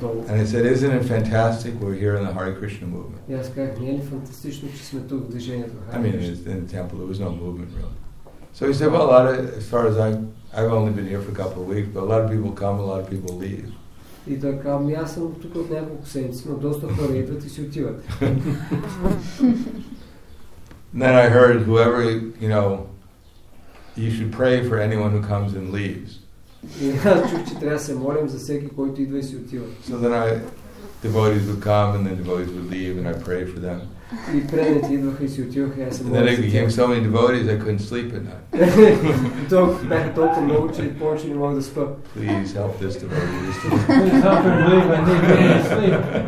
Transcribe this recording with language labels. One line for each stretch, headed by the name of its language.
English: And I said, "Isn't it fantastic we're here in the Hare Krishna movement?" I mean, in the temple, there was no movement really. So he said, "Well, I've only been here for a couple of weeks, but a lot of people come, a lot of people leave."
Bulgarian: И той казва, ами аз съм тук от няколко седмици, но доста хора идват и си отиват.
English: Then I heard whoever, you know, you should pray for anyone who comes and leaves.
Bulgarian: И аз чух, че трябва да се молим за всеки, който идва и си отива.
English: So then devotees would come and then devotees would leave and I prayed for them.
Bulgarian: И предните идваха и си отиваха, аз се молих.
English: And then it became so many devotees I couldn't sleep at night.
Bulgarian: Бяха толкова много, че повече не мога да спа.
English: Please help this devotee. Please help him leave, I need to sleep.